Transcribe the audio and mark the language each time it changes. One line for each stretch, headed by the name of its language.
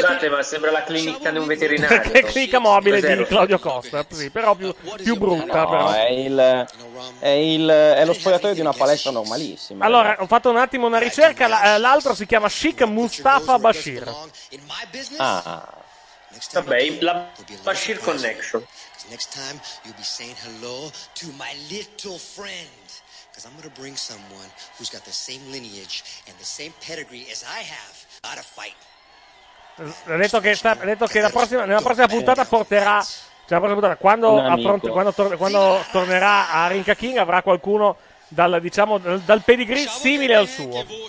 Italian: Scusate, ma sembra la clinica di un veterinario. È clinica mobile di Claudio Costa, sì, però più brutta. No, però. È lo spogliatoio di una palestra normalissima. Allora, ho fatto un attimo una ricerca, l'altro si chiama Sheikh Mustafa Bashir. Ah, vabbè, la Bashir Connection.
English: Next time you'll be saying hello to my little friend, because I'm gonna bring someone who's got the same lineage and the same pedigree as I have out of fight.
Italian: Ha detto che nella prossima puntata porterà. Cioè, la prossima puntata, quando tornerà a Rinka King, avrà qualcuno dal pedigree simile al suo.